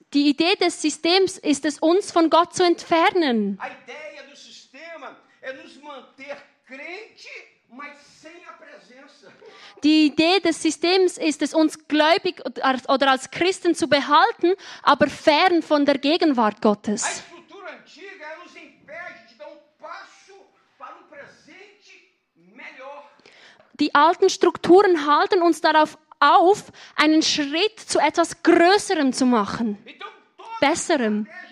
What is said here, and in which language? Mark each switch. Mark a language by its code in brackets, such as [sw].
[de] Die Idee des Systems ist es, uns von Gott zu entfernen. [pt] A ideia do sistema é nos manter crente, mas sem a presença. [de] Die Idee des Systems ist es, uns gläubig oder als Christen zu behalten, aber fern von der Gegenwart Gottes. [pt] A estrutura antiga nos impede de dar passo para presente melhor. [de] Die alten Strukturen halten uns darauf auf, einen Schritt zu etwas Größerem zu machen. Besserem.